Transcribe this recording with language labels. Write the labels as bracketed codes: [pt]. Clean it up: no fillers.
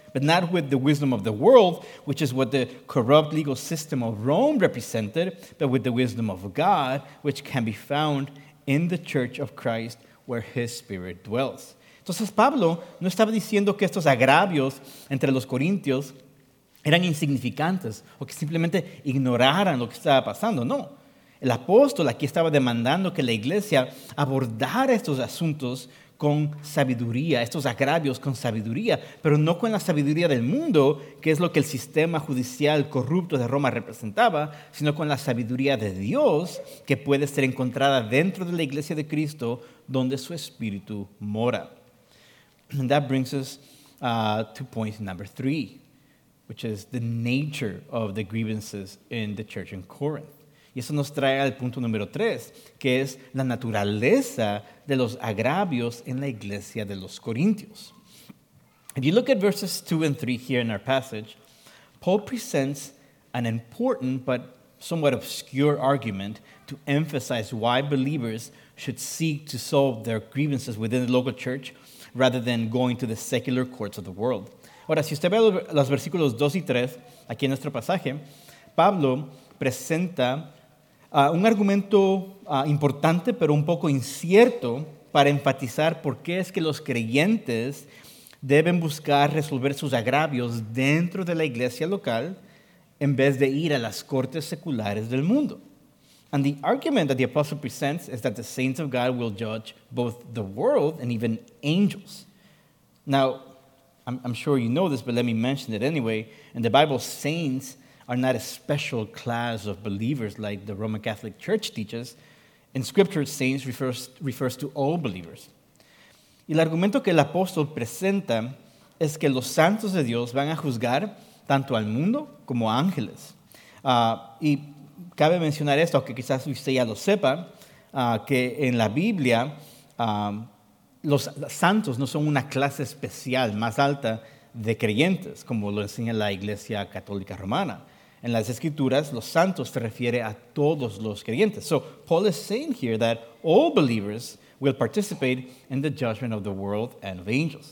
[en] But not with the wisdom of the world, which is what the corrupt legal system of Rome represented, but with the wisdom of God, which can be found in the church of Christ where his spirit dwells. [es] Entonces, Pablo no estaba diciendo que estos agravios entre los corintios eran insignificantes o que simplemente ignoraran lo que estaba pasando. No. El apóstol aquí estaba demandando que la iglesia abordara estos asuntos con sabiduría, estos agravios con sabiduría, pero no con la sabiduría del mundo, que es lo que el sistema judicial corrupto de Roma representaba, sino con la sabiduría de Dios, que puede ser encontrada dentro de la iglesia de Cristo, donde su espíritu mora. [en] And that brings us to point number 3. which is the nature of the grievances in the church in Corinth. [es] Y eso nos trae al punto número tres, que es la naturaleza de los agravios en la iglesia de los Corintios. [en] If you look at verses 2 and 3 here in our passage, Paul presents an important but somewhat obscure argument to emphasize why believers should seek to solve their grievances within the local church rather than going to the secular courts of the world. [es] Ahora, si usted ve los versículos 2 y 3 aquí en nuestro pasaje, Pablo presenta un argumento importante pero un poco incierto para enfatizar por qué es que los creyentes deben buscar resolver sus agravios dentro de la iglesia local en vez de ir a las cortes seculares del mundo. [en] And the argument that the apostle presents is that the saints of God will judge both the world and even angels. Now, I'm sure you know this, but let me mention it anyway. In the Bible, saints are not a special class of believers like the Roman Catholic Church teaches. In Scripture, saints refers to all believers. [es] Y el argumento que el apóstol presenta es que los santos de Dios van a juzgar tanto al mundo como a ángeles. Y cabe mencionar esto, aunque quizás usted ya lo sepa, que en la Biblia los santos no son una clase especial más alta de creyentes, como lo enseña la Iglesia Católica Romana. En las Escrituras, los santos se refiere a todos los creyentes. [en] So, Paul is saying here that all believers will participate in the judgment of the world and of angels.